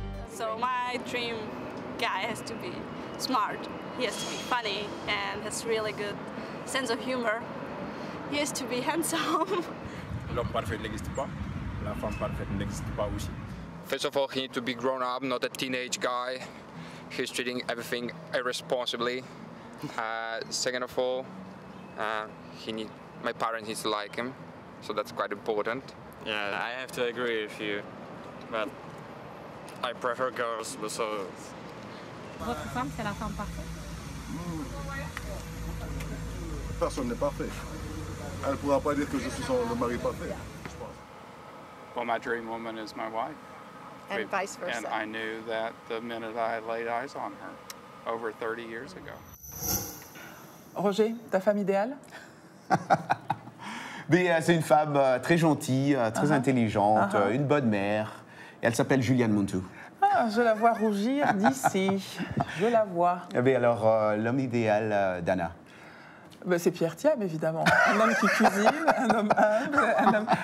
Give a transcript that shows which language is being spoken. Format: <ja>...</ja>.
<en>So my dream guy has to be smart, he has to be funny and has really good sense of humor. He has to be handsome.</en> <fr>L'homme parfait n'existe pas, la femme parfaite n'existe pas aussi.</fr> <en>First of all, he needs to be grown up, not a teenage guy. He's treating everything irresponsibly. Second of all, my parents need to like him, so that's quite important. Yeah, I have to agree with you, but I prefer girls, so...</en> <fr>Votre femme, c'est la femme parfaite. Personne n'est parfait. Elle ne pourra pas dire que je suis le mari parfait, je pense.</fr> <en>Well, my dream woman is my wife. And vice versa. And I knew that the minute I laid eyes on her, over 30 years ago.</en> <fr>Roger, ta femme idéale? Mais c'est une femme très gentille, très intelligente, une bonne mère. Et elle s'appelle Julianne Montou. Ah, je la vois rougir d'ici. Je la vois. Mais alors, l'homme idéal d'Anna? Ben, c'est Pierre Thiam, évidemment. Un homme qui cuisine, un homme humble. Un homme...</fr>